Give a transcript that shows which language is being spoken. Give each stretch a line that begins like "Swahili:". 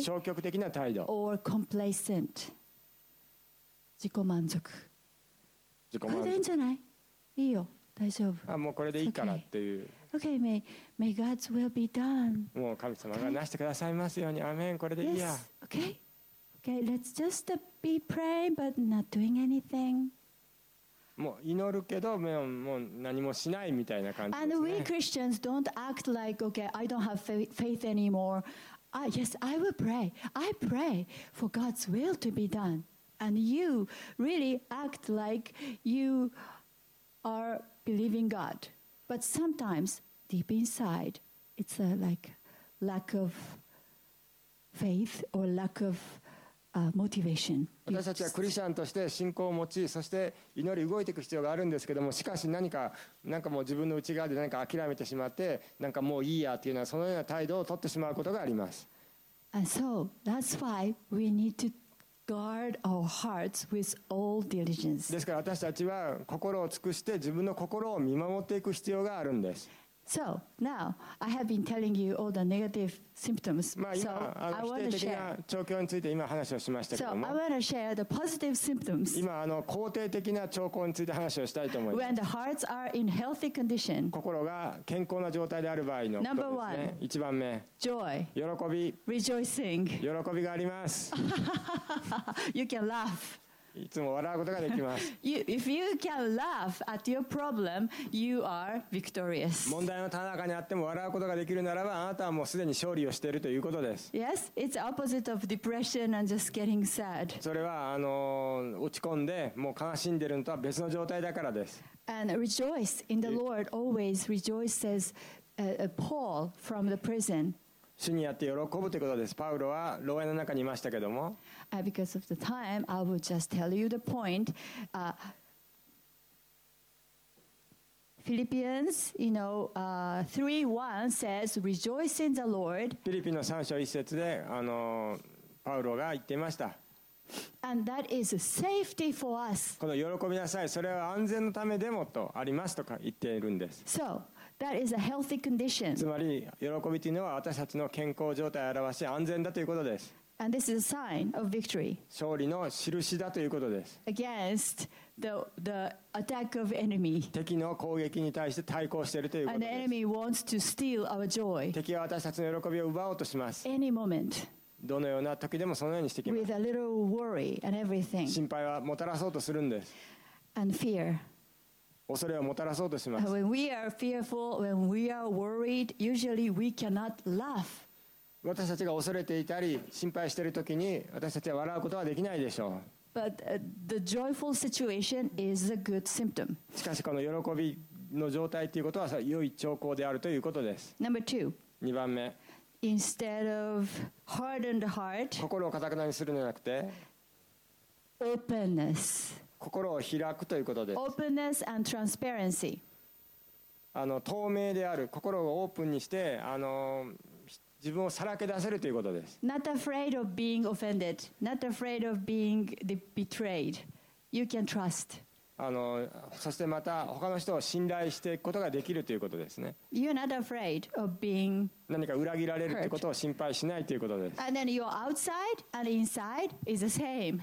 Japanese: 消極的な態度。
English: Or complacent,
Japanese: 自己満足。自己満足。これでいいんじゃない？いいよ、大丈夫。もうこれでいいからっていう。
English: Okay, may God's will be done.
Japanese: もう神様がなしてくださいますように。アメン。これでいいや。
English: Yes. Okay. Okay. Let's just be praying, but not doing anything.
Japanese: もう祈るけどもう何もしないみたいな感じですね。
English: And we Christians don't act like, okay, I don't have faith anymore. Yes, I will pray. I pray for God's will to be done. And you really act like you are believing God. But sometimes, deep inside, it's a, like lack of faith or lack of motivation.
Japanese: 私たちはクリスチャンとして信仰を持ち、そして祈り動いていく必要があるんですけども、しかし何か、なんかもう自分の内側で何か諦めてしまって、なんかもういいやっていうような、そのような態度を取ってしまうことがあります。
English: And so, that's why we need to guard our hearts with all diligence.
Japanese: ですから私たちは心を尽くして自分の心を見守っていく必要があるんです。
English: So, now, I have been telling you all the negative symptoms. So, I want to share. So, I want to share the positive symptoms.
Japanese: 今、あの、肯定的な兆候について話をしたいと思います。
English: When the hearts are in healthy condition.
Japanese: 心が健康な状態である場合のことですね。
English: Number one.
Japanese: 一番目。
English: Joy.
Japanese: 喜び。
English: Rejoicing.
Japanese: 喜びがあります。
English: You can laugh.
Japanese: いつも笑うことができます。
English: If you can laugh at your problem, you are victorious.
Japanese: 問題の田中にあっても笑うことができるならば、あなたはもうすでに勝利をしているということです。
English: Yes, it's opposite of depression and just getting sad.
Japanese: それは落ち込んでもう悲しんでるのとは別の状態だからです。
English: And rejoice in the Lord always rejoice, says Paul from the prison.
Japanese: 主にやって喜ぶということです。パウロは牢屋の中にいましたけども。
English: Because of the time, I will just tell you the point. Philippians, you know, 3:1 says, "Rejoice in the Lord."
Japanese: フィリピンの3章1節で、パウロが言っていました。
English: And that is a safety for us.
Japanese: この喜びなさい、それは安全のためでもとありますとか言っているんです。
English: So. That is a healthy condition.
Japanese: つまり喜びというのは私たちの健康状態を表し安全だということです。
English: And this is a sign of victory.
Japanese: 勝利の印だということです。
English: Against the attack of enemy.
Japanese: 敵の攻撃に対して対抗しているということです。
English: And the enemy wants to steal our joy.
Japanese: 敵は私たちの喜びを奪おうとします。
English: Any moment.
Japanese: どのような時でもそのようにしてきます。
English: With a little worry and everything.
Japanese: 心配はもたらそうとするんです。
English: And fear.
Japanese: 恐れをもたらそうとします。
English: When we are fearful, when we are worried, usually we cannot laugh.
Japanese: 私たちが恐れていたり心配しているときに私たちは笑うことはできないでしょう。
English: But the joyful situation is a good symptom.
Japanese: しかしこの喜びの状態ということは良い兆候であるということです。
English: Number two.
Japanese: 2番目。
English: Instead of hardened heart.
Japanese: 心を固くなにするのではなくて。
English: Openness.
Japanese: 心を開くということです。
English: Openness and transparency.
Japanese: 透明である心をオープンにして自分をさらけ出せるということです。
English: Not afraid of being offended. Not afraid of being betrayed. You can trust.
Japanese: そしてまた他の人を信頼していくことができるということですね。
English: You're not afraid of being
Japanese: 何か裏切られるということを心配しないということです。
English: And then your outside and inside is the same.